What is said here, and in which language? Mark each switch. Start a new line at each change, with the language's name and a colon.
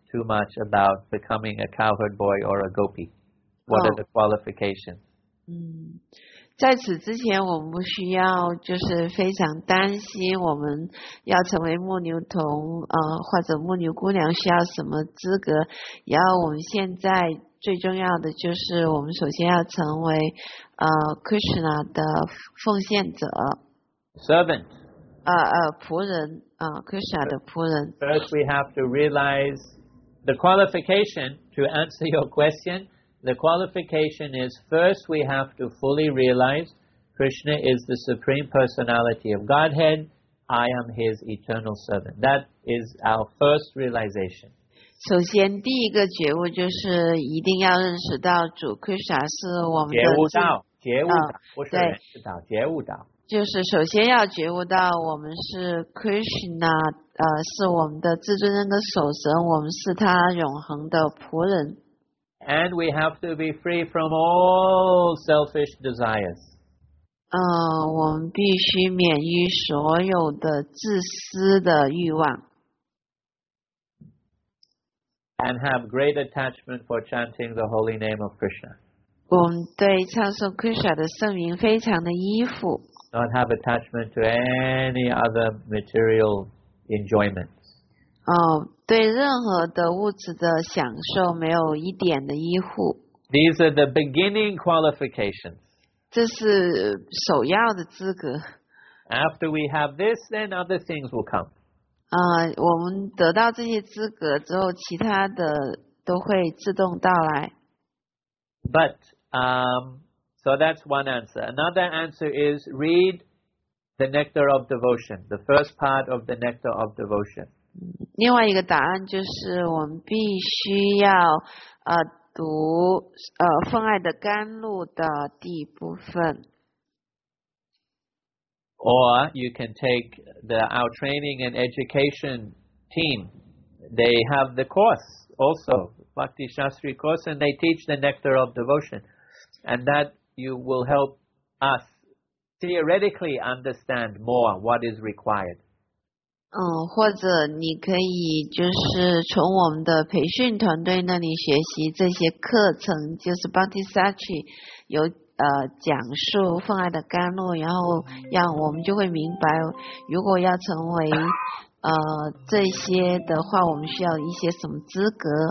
English: Too much about becoming a cowherd boy or a gopi. What are the qualifications?
Chinese: 在此之前我们不需要就是非常担心我们要成为牧牛童或者牧牛姑娘需要什么资格，然后我们现在最重要的就是我们首先要成为Krishna 的奉献者
English: servant
Chinese: 仆人Krishna 的仆人。
English: First we have to realize the qualification to answer your question. The qualification is, first we have to fully realize Krishna is the Supreme Personality of Godhead. I am His eternal servant. That is our first realization.
Chinese: 首先第一个觉悟就是一定要认识到主 Krishna 是我们的觉悟道，觉悟道，不是认识道，觉悟道。就是首先要觉悟到我们是 Krishna， 是我们的至尊人的守神，我们是他永恒的仆人。
English: And we have to be free from all selfish desires.
Chinese: 我们必须免于所有的自私的欲望。
English: And have great attachment for chanting the holy name of Krishna.
Chinese: 我们对唱诵 Krishna 的圣名非常的依附。
English: Not have attachment to any other material enjoyment.
Chinese: 对任何的物质的享受没有一点的依附。
English: These are the beginning qualifications.
Chinese: 这是首要的资格。
English: After we have this, then other things will come.
Chinese: 我们得到这些资格之后，其他的都会自动到来。
English: But, so that's one answer. Another answer is read the Nectar of Devotion, the first part of the Nectar of Devotion.
Chinese: 另外一个答案就是我们必须要读奉爱的甘露的第一部分。
English: Or you can take our training and education team. They have the course also, Bhakti Shastri course, and they teach the Nectar of Devotion. And that you will help us theoretically understand more what is required.
Chinese: 或者你可以就是从我们的培训团队那里学习这些课程，就是 Bhakti Sachi 有讲述奉爱的甘露，然后让我们就会明白，如果要成为这些的话，我们需要一些什么资格。